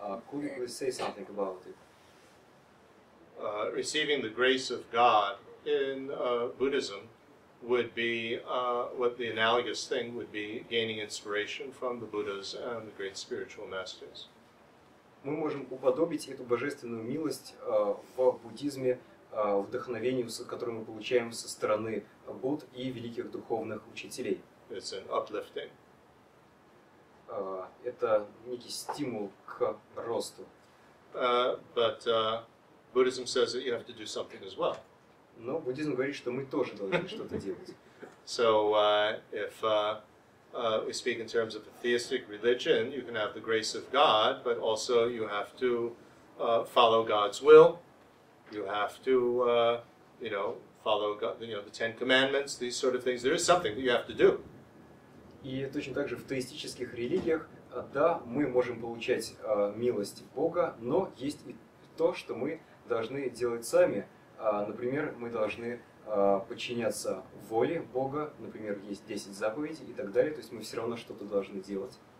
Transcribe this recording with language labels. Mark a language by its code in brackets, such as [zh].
[en] Could you please say something about it? Receiving the grace of God in Buddhism would be what the analogous thing would be, gaining inspiration from the Buddhas and the great spiritual masters. [ru] Мы можем уподобить эту божественную милость в буддизме вдохновению, которое мы получаем со стороны Будд и великих духовных учителей. [en] It's an uplifting. [ru] это некий стимул к росту. [en] But Buddhism says that you have to do something as well. [ru] Но буддизм говорит, что мы тоже должны что-то делать. [en] So if we speak in terms of a theistic religion, you can have the grace of God, but also you have to follow God's will. You have to, you know, follow God, you know, the Ten Commandments, these sort of things. There is something that you have to do. [ru] И точно так же в теистических религиях, да, мы можем получать милость Бога, но есть и то, что мы должны делать сами. Например, мы должны подчиняться воле Бога, например, есть 10 заповедей и так далее, то есть мы все равно что-то должны делать.